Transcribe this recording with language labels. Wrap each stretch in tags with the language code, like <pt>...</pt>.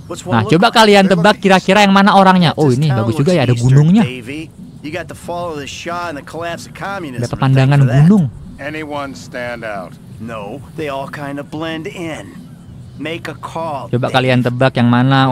<id>Nah, coba kalian tebak kira-kira yang mana orangnya. Oh, ini bagus juga ya, ada gunungnya.</id> <en>You got to follow the Shah and the collapse of communism.</en> <id>Ada pemandangan gunung.</id> <en>Anyone stand out? No, they all kind of blend in. Make a call.</en> <id>Coba kalian tebak yang mana?</id>